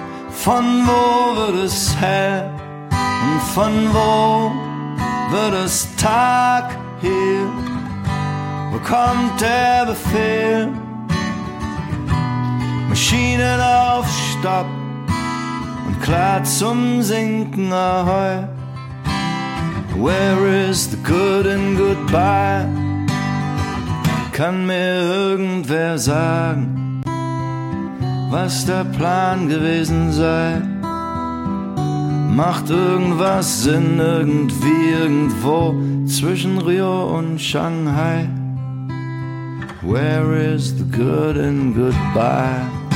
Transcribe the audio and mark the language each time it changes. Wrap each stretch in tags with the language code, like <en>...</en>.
<de>Von wo wird es hell? Und von wo wird es Tag hier? Wo kommt der Befehl? Maschinen auf Stopp und klar zum Sinken, ahoi.</de> <en>Where is the good in goodbye?</en> <de>Kann mir irgendwer sagen, was der Plan gewesen sei? Macht irgendwas Sinn irgendwie irgendwo zwischen Rio und Shanghai?</de> <en>Where is the good in goodbye?</en>